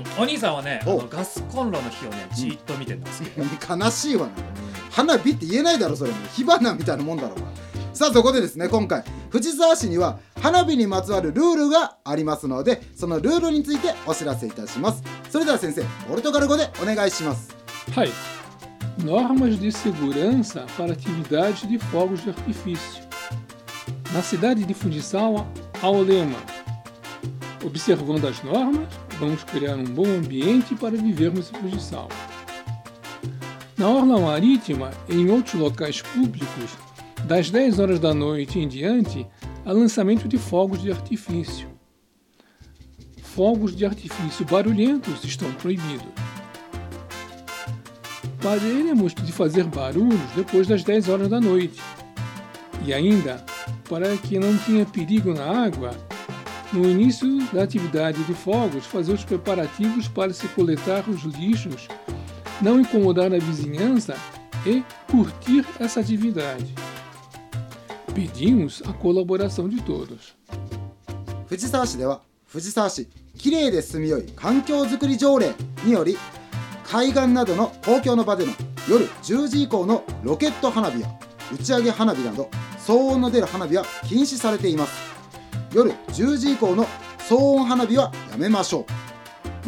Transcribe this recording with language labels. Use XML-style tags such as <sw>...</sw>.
<ja>うん、お兄さんはねあのガスコンロの火をねじっと見てたんですけど、うん、悲しいわな、花火って言えないだろそれも、火花みたいなもんだろう。さあそこでですね今回藤沢市には花火にまつわるルールがありますのでそのルールについてお知らせいたします。それでは先生ポルトガル語でお願いします。はい。</ja> <pt>Normas de segurança para atividade de fogos de artifício. Na cidade de Fujisawa, há o lema: Observando as normas, vamos criar um bom ambiente para vivermos em Fujisawa. Na orla marítima e em outros locais públicos, das 10 horas da noite em diante, há lançamento de fogos de artifício. Fogos de artifício barulhentos estão proibidos. Pararemos de fazer barulhos depois das 10 horas da noite. E ainda, para que não tenha perigo na água, no início da atividade de fogos, fazer os preparativos para se coletar os lixos, não incomodar a vizinhança e curtir essa atividade. Pedimos a colaboração de todos.</pt> <ja>Fujisawa-shi では、Fujisawa-shi きれいで住みよい環境づくり条例により、海岸などの公共の場での夜10時以降のロケット花火や打ち上げ花火など騒音の出る花火は禁止されています。夜10時以降の騒音花火はやめましょう。</ja>